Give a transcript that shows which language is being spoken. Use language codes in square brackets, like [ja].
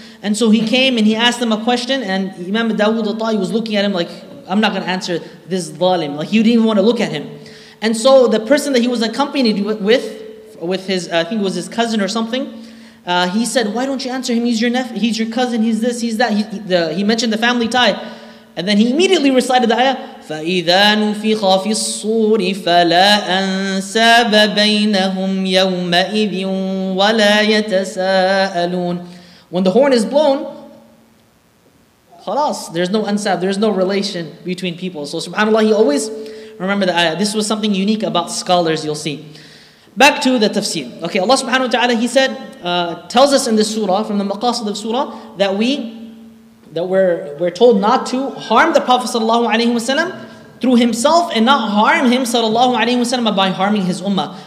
[en] And so he came and he asked them a question, and Imam Dawood al-Ta'i was looking at him like, I'm not gonna answer this zalim. Like, he didn't even want to look at him. And so the person that he was accompanied with his, I think it was his cousin or something, he said, why don't you answer him? He's your nephew, he's your cousin, he's this, he's that. He mentioned the family tie. And then he immediately recited the ayah, [ar] فَإِذَا نُفِخَ فِي الصُّورِ فَلَا أَنْسَابَ بَيْنَهُمْ يَوْمَئِذٍ وَلَا يَتَسَاءَلُونَ. [en] When the horn is blown, خلاص, there's no ansab, there's no relation between people. So subhanAllah, he always remember the ayah. This was something unique about scholars, you'll see. Back to the tafsir. Okay, Allah subhanahu wa ta'ala, he said, tells us in this surah, from the maqasid of surah, that we're told not to harm the Prophet sallallahu alaihi wasallam through himself, and not harm him sallallahu alaihi wasallam by harming his ummah.